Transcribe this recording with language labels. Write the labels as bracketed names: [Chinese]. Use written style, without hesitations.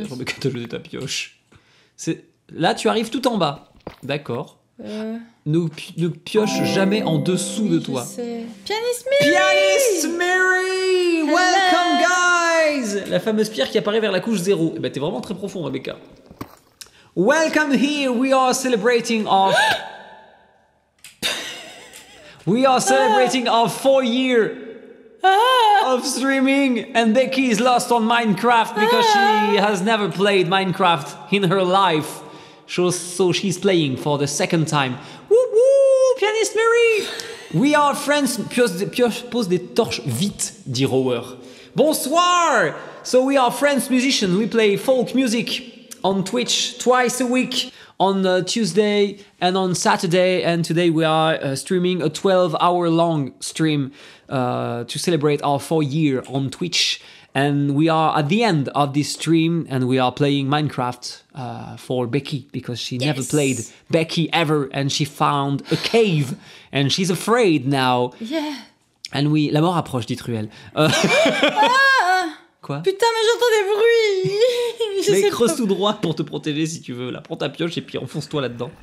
[French] Mais Rebecca, t'as jeté ta pioche. C'est... Là, tu arrives tout en bas. D'accord. Ne pioche jamais en dessous de toi. [English] Pianist Mary! Pianist Mary! Hello. Welcome, guys! [French] La fameuse pierre qui apparaît vers la couche 0. Eh ben, t'es vraiment très profond, Rebecca. [English] Welcome here, we are celebrating our... We are celebrating our 4 year of streaming, and Becky is lost on Minecraft because she has never played Minecraft in her life. So she's playing for the second time. Woo woo, Pianist Mary! We are friends. [French] Pose des torches vite, dit Rower. Bonsoir! [English] So we are friends musicians. We play folk music on Twitch twice a week. On Tuesday and on Saturday, and today we are streaming a 12-hour long stream to celebrate our 4 year on Twitch. And we are at the end of this stream, and we are playing Minecraft for Becky, because she never played Becky ever, and she found a cave, and she's afraid now. Yeah. And we... [French] La mort approche, dit Ruel. Quoi? Putain, mais j'entends des bruits. Mais creuse tout droit pour te protéger si tu veux. Là, prends ta pioche et puis enfonce-toi là-dedans.